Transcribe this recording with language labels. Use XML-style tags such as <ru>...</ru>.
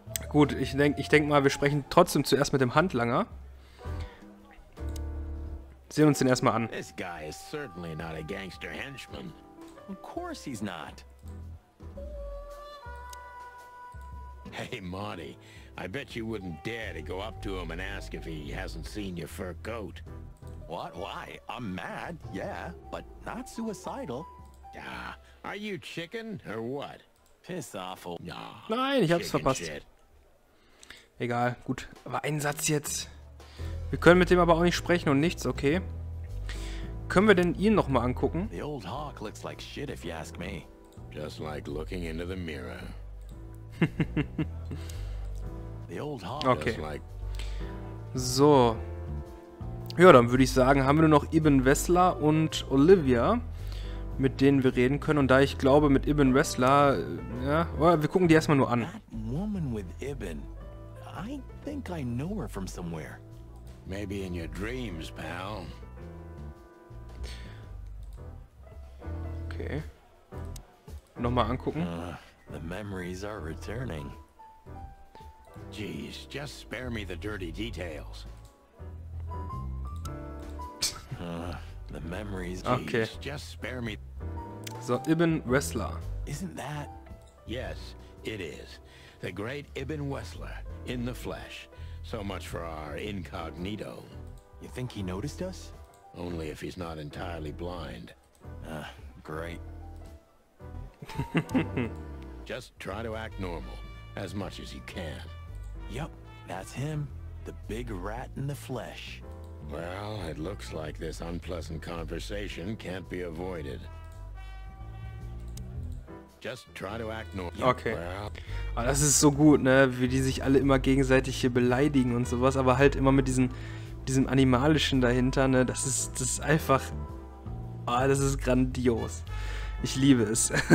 <de>Gut, ich denk mal, wir sprechen trotzdem zuerst mit dem Handlanger. Sehen uns den erstmal an.</de> <en>This guy is certainly not a gangster henchman. Of course he's not. Hey, Marty, I bet you wouldn't dare to go up to him and ask if he hasn't seen your fur coat. What? Why? I'm mad, yeah, but not suicidal. Are you chicken or what? Piss off.</en> <de>Nein, ich hab's verpasst. Shit. Egal, gut. Aber ein Satz jetzt. Wir können mit dem aber auch nicht sprechen und nichts, okay? Können wir denn ihn nochmal angucken?</de> <en>The old hawk looks like shit, if you ask me. Just like looking into the mirror. The old hawk okay. Like... So.</en> <de>Ja, dann würde ich sagen, haben wir nur noch Ibn Wessler und Olivia, mit denen wir reden können. Und da ich glaube, mit Ibn Wessler, ja, oder wir gucken die erstmal nur an.</de> <en>That woman with Ibn, I think I know her from somewhere. Maybe in your dreams, pal.</en> <de>Okay. Nochmal angucken.</de> <en>The memories are returning. Jeez, just spare me the dirty details. The memories, okay. Just spare me. So, Ibn Wessler. Isn't that? Yes, it is. The great Ibn Wessler in the flesh. So much for our incognito. You think he noticed us? Only if he's not entirely blind. Great. Just try to act normal as much as you can. Yep, that's him, the big rat in the flesh. Well, it looks like this unpleasant conversation can't be avoided. Just try to act normal. Okay.</en> <de>Aber das ist so gut, ne, wie die sich alle immer gegenseitig hier beleidigen und sowas, aber halt immer mit diesem animalischen dahinter, ne? Das ist einfach, das ist grandios. Ich liebe es.</de>